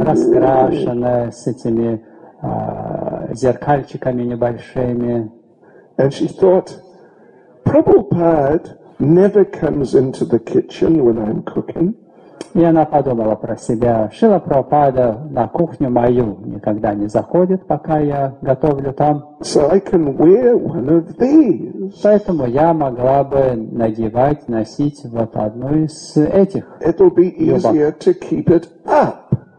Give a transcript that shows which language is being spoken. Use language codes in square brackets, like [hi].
[ru] раскрашенная с этими зеркальчиками небольшими. [en] And she thought, Prabhupada never comes into the kitchen when I'm cooking. [ru] И она подумала про себя, Шрила Прабхупада на кухню мою никогда не заходит, пока я готовлю там. [en] So I can wear one of these. [ru] Поэтому я могла бы носить вот одну из этих. [en] It'll be easier [ru] юбок. [en] To keep it up.